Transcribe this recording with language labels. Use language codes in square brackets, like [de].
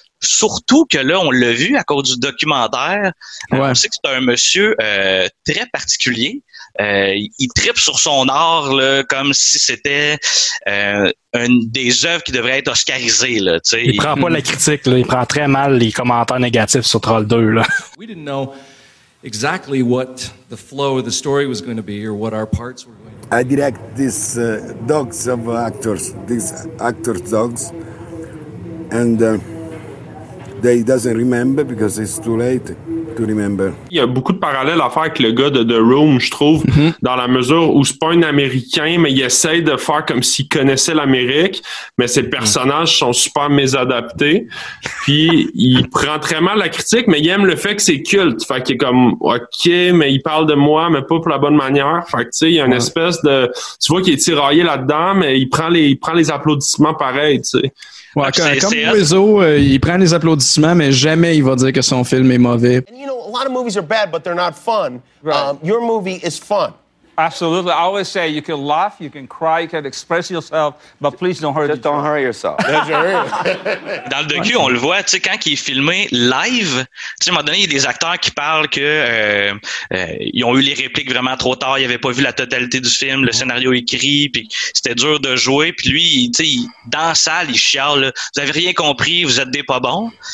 [fr] Surtout que là, on l'a vu à cause du documentaire. Ouais. On sait que c'est un monsieur très particulier. Il trippe sur son art là, comme si c'était une des œuvres qui devraient être oscarisées. Là, il prend pas la critique. Là. Il prend très mal les commentaires négatifs sur Troll 2. Là. [en] We didn't know exactly what the flow of the story was going to be or what our parts were going to be. I direct these dogs of actors, these actors' dogs. And... They doesn't remember because it's too late to remember. [fr] Il y a beaucoup de parallèles à faire avec le gars de The Room, je trouve, dans la mesure où c'est pas un Américain, mais il essaie de faire comme s'il connaissait l'Amérique, mais ses personnages sont super mésadaptés. Puis il prend très mal la critique, mais il aime le fait que c'est culte. Fait qu'il est comme, OK, mais il parle de moi, mais pas pour la bonne manière. Fait que tu sais, il y a une espèce de... Tu vois qu'il est tiraillé là-dedans, mais il prend les applaudissements pareil, tu sais. Ouais, comme Wizzo, il prend les applaudissements, mais jamais il va dire que son film est mauvais. [en] And you know, a lot of movies are bad, but they're not fun. Right. Your movie is fun. Absolutely. I always say you can laugh, you can cry, you can express yourself, but please don't hurt yourself. Just don't hurt yourself. That's your real. [fr] Dans le docu, on le voit, tu sais, quand il est filmé live, tu sais, à un moment donné, il y a des acteurs qui parlent que ils ont eu les répliques vraiment trop tard, ils n'avaient pas vu la totalité du film, le scénario écrit, puis c'était dur de jouer, puis lui, tu sais, dans la salle, il chiale, là, vous avez rien compris, vous êtes des pas bons.